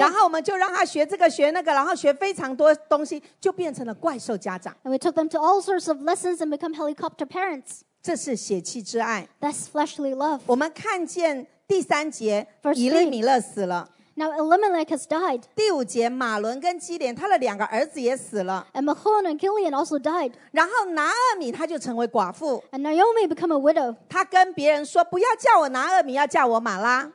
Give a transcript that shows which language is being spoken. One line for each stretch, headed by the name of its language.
Chinese: 然后我们就让他学这个学那个，然后学非常多东西，就变成了怪兽家长。
English: And we took them to all sorts of lessons and become helicopter parents.
Chinese: 这是血气之爱。
English: That's fleshly love.
Chinese: 我们看见第三节，以利米勒死了。
English: Now Elimelech has died.
Chinese: 第五节，马伦跟基连，他的两个儿子也死了。
English: And Mahlon and Gilead also died.
Chinese: 然后拿俄米他就成为寡妇。
English: And Naomi became a widow.
Chinese: 他跟别人说，不要叫我拿俄米，要叫我马拉。